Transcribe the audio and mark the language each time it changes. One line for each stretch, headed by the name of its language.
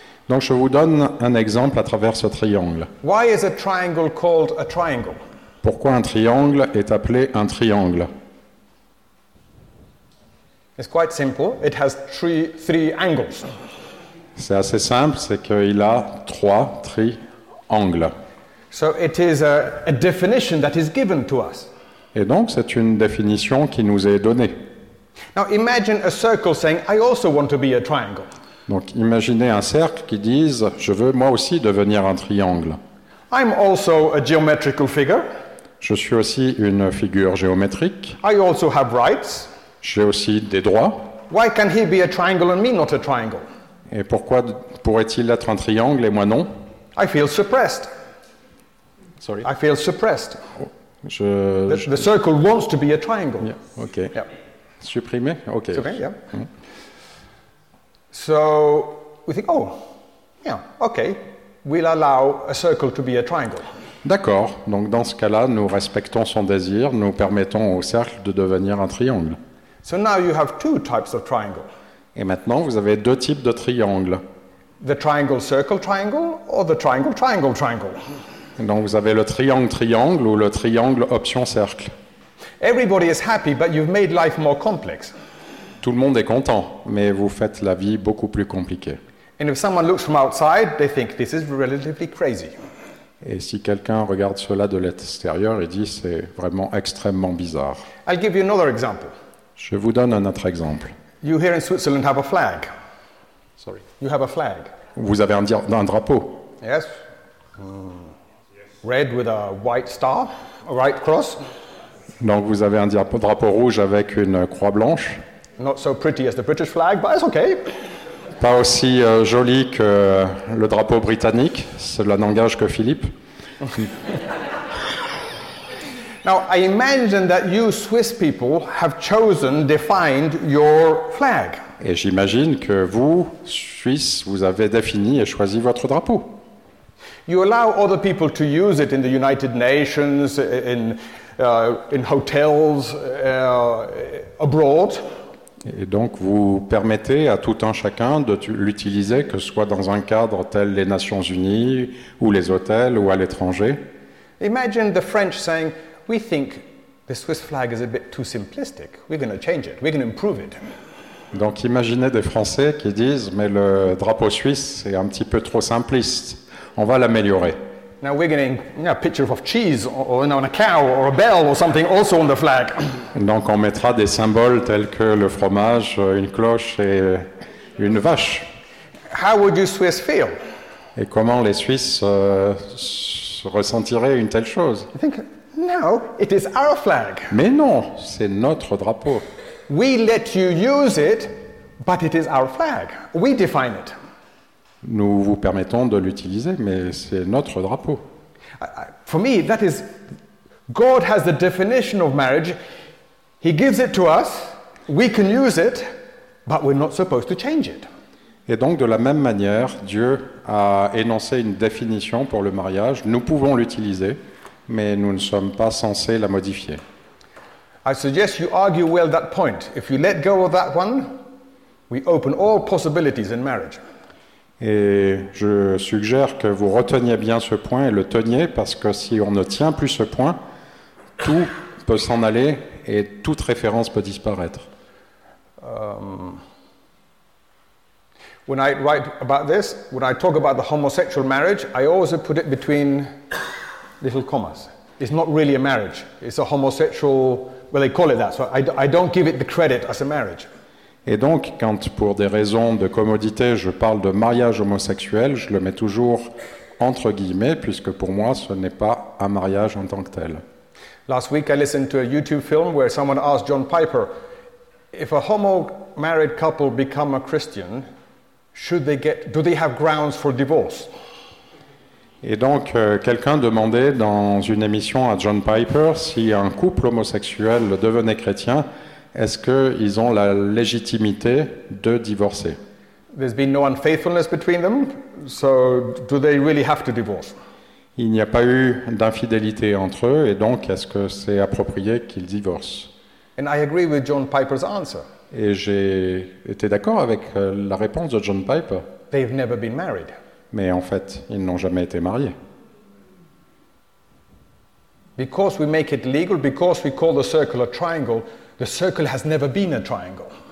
French: Donc je vous donne un exemple à travers ce triangle.
English: Why is a triangle called a triangle?
French: Pourquoi un triangle est appelé un triangle?
English: It's quite simple. It has three angles.
French: C'est assez simple, c'est qu'il a trois triangles.
English: So it is a definition that is given to us.
French: Et donc c'est une définition qui nous est donnée.
English: Now imagine a circle saying, I also want to be a triangle.
French: Donc imaginez un cercle qui dise, je veux moi aussi devenir un triangle.
English: I'm also a geometrical figure.
French: Je suis aussi une figure géométrique.
English: I also have rights.
French: J'ai aussi des droits.
English: Why can he be a triangle and me not a triangle?
French: Et pourquoi pourrait-il être un triangle et moi non?
English: I feel suppressed. Sorry. I feel suppressed. The circle wants to be a triangle. Yeah. Okay. Yeah.
French: Supprimé.
English: Okay.
French: Supprimé.
English: Yeah. Mm-hmm. So we think, oh, yeah, okay, we'll allow a circle to be a triangle.
French: D'accord. Donc dans ce cas-là, nous respectons son désir, nous permettons au cercle de devenir un triangle.
English: So now you have two types of triangle.
French: Et maintenant, vous avez deux types de triangle.
English: The triangle circle triangle or the triangle triangle triangle.
French: Donc vous avez le triangle triangle ou le triangle option cercle.
English: Everybody is happy, but you've made life more complex.
French: Tout le monde est content, mais vous faites la vie beaucoup plus compliquée.
English: And if someone looks from outside, they think this is relatively crazy.
French: Et si quelqu'un regarde cela de l'extérieur, il dit c'est vraiment extrêmement bizarre.
English: I'll give you another example.
French: Je vous donne un autre exemple.
English: You here in Switzerland have a flag. Sorry, you have a flag.
French: Vous avez un drapeau.
English: Yes. Red with a white star, a white cross.
French: Donc vous avez un drapeau rouge avec une croix blanche.
English: Not so pretty as the British flag, but it's okay.
French: Pas aussi joli que le drapeau britannique, cela n'engage que Philippe.
English: Now, I imagine that you Swiss people have chosen, defined your flag.
French: Et j'imagine que vous, Suisses, vous avez défini et choisi votre drapeau.
English: You allow other people to use it in the United Nations, in hotels, abroad.
French: Et donc vous permettez à tout un chacun de l'utiliser, que ce soit dans un cadre tel les Nations Unies, ou les hôtels, ou à l'étranger.
English: Imagine the French saying, we think the Swiss flag is a bit too simplistic. We're going to change it. We're going to improve it.
French: Donc imaginez des Français qui disent, mais le drapeau suisse est un petit peu trop simpliste. On va l'améliorer.
English: Now we're getting a picture of cheese on a cow or a bell or something also on the flag.
French: Donc on mettra des symboles tels que le fromage, une cloche et une vache.
English: How would you Swiss feel?
French: Et comment les Suisses ressentiraient une telle chose?
English: I think, no, it is our flag.
French: Mais non, c'est notre drapeau.
English: We let you use it, but it is our flag. We define it.
French: Nous vous permettons de l'utiliser, mais c'est notre drapeau.
English: For me, that is, God has the definition of marriage. He gives it to us, we can use it, but we're not supposed to change it.
French: Et donc, de la même manière, Dieu a énoncé une définition pour le mariage. Nous pouvons l'utiliser, mais nous ne sommes pas censés la modifier.
English: I suggest you argue well that point. If you let go of that one, we open all possibilities in marriage.
French: Et je suggère que vous reteniez bien ce point et le teniez, parce que si on ne tient plus ce point, tout peut s'en aller et toute référence peut disparaître.
English: When I write about this, when I talk about the homosexual marriage, I always put it between little commas. It's not really a marriage. It's a homosexual, well, they call it that, so I don't give it the credit as a marriage.
French: Et donc, quand pour des raisons de commodité, je parle de mariage homosexuel, je le mets toujours entre guillemets, puisque pour moi, ce n'est pas un mariage en tant que tel.
English: Last week, I listened to a YouTube film where someone asked John Piper, if a homo married couple become a Christian, should they get, do they have grounds for divorce?
French: Et donc, quelqu'un demandait dans une émission à John Piper si un couple homosexuel devenait chrétien, est-ce qu'ils ont la légitimité de divorcer?
English: There's been no unfaithfulness between them, so do they really have to divorce?
French: Il n'y a pas eu d'infidélité entre eux, et donc est-ce que c'est approprié qu'ils divorcent?
English: And I agree with John Piper's answer.
French: Et j'ai été d'accord avec la réponse de John Piper.
English: They've never been married.
French: Mais en fait, ils n'ont jamais été mariés.
English: Because we make it legal, because we call the circle a triangle, the circle has never been a triangle.